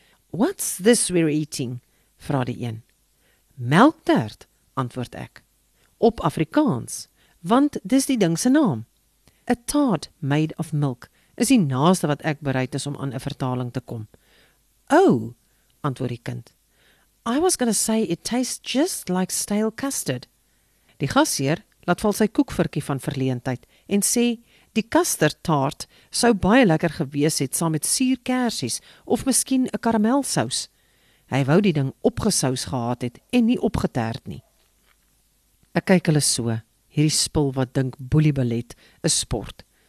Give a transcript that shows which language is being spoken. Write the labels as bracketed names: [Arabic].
[English] What's this we're eating? [Afrikaans] Vra die een. Melktert, antwoord ek. Op Afrikaans, want dis die ding se naam. [English] A tart made of milk [Afrikaans] is die naaste wat ek bereid is om aan 'n vertaling te kom. Oh, antwoord die kind. [English] I was going to say it tastes just like stale custard. [Afrikaans] Die gasheer laat val sy koekvirkie van verleentheid en sê, die custardtaart sou baie lekker gewees het saam met suurkersies of miskien 'n karamelsaus. Hy wou die ding opgesous gehad het en nie opgetert nie. Ek kyk hulle so, hierdie spul wat dink boeliebelet is sport.